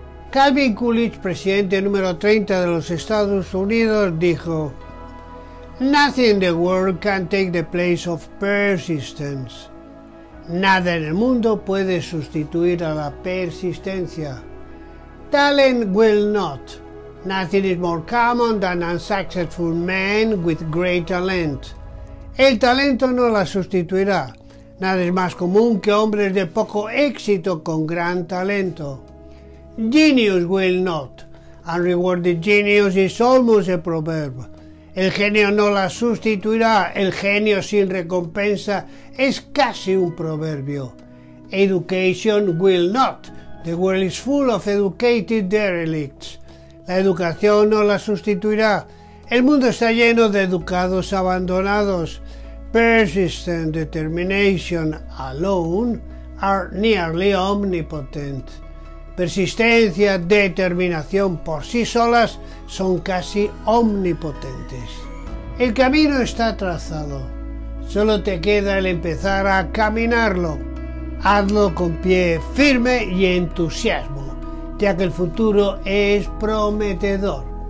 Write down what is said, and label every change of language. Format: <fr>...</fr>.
<es>Calvin Coolidge, presidente número 30 de los Estados Unidos, dijo:</es> <en>"Nothing in the world can take the place of persistence."</en> <es>Nada en el mundo puede sustituir a la persistencia.</es> <en>talent will not. Nothing is more common than a successful man with great talent.</en> <es>El talento no la sustituirá. Nada es más común que hombres de poco éxito con gran talento.</es> <en>Genius will not. Unrewarded genius is almost a proverb.</en> <es>El genio no la sustituirá. El genio sin recompensa es casi un proverbio.</es> <en>Education will not. The world is full of educated derelicts.</en> <es>La educación no la sustituirá. El mundo está lleno de educados abandonados.</es> <en>Persistent determination alone are nearly omnipotent.</en> <es>Persistencia, determinación por sí solas son casi omnipotentes. El camino está trazado. Solo te queda el empezar a caminarlo. Hazlo con pie firme y entusiasmo, ya que el futuro es prometedor.</es>